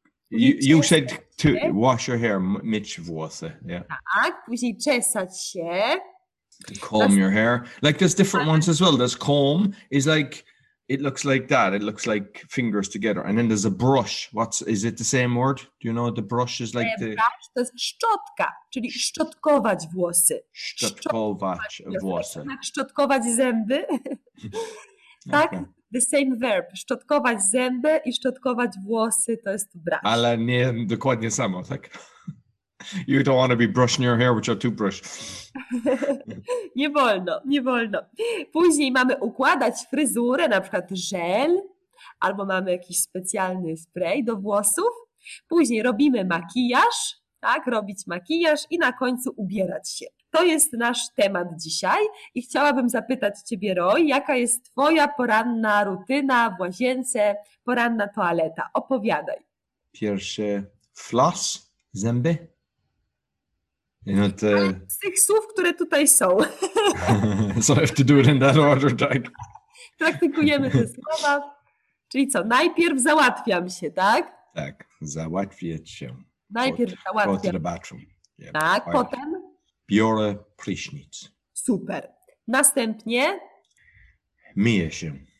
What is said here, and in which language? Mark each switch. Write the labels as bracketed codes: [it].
[en] You said to wash your hair, [pl] myć włosy, [en] yeah. [pl] Tak, później czesać się. [en] To comb your hair. Like there's different ones as well. There's comb is like, it looks like that. It looks like fingers together. And then there's a brush. Is it the same word? Do you know the brush is like the... [pl] Brush to jest szczotka, czyli szczotkować włosy. Szczotkować włosy. Szczotkować zęby. Tak? [en] The same verb. [pl] Szczotkować zęby i szczotkować włosy to jest brush. Ale nie dokładnie samo, tak? [en] You don't want to be brushing your hair with your toothbrush. [pl] Nie wolno, nie wolno. Później mamy układać fryzurę, na przykład żel, albo mamy jakiś specjalny spray do włosów. Później robimy makijaż, tak, robić makijaż i na końcu ubierać się. To jest nasz temat dzisiaj i chciałabym zapytać Ciebie, Roy, jaka jest Twoja poranna rutyna w łazience, poranna toaleta? Opowiadaj. Pierwszy floss, zęby. [en] You know, [pl] z tych słów, które tutaj są. [en] So I have to do it in that order, tak? [pl] Praktykujemy te słowa. Czyli co, najpierw załatwiam się, tak? Tak, załatwiać się. Najpierw załatwiam. [en] Go to the bathroom. [pl] Yeah. Tak, I potem? Biorę prysznic. Super. Następnie? Myję się.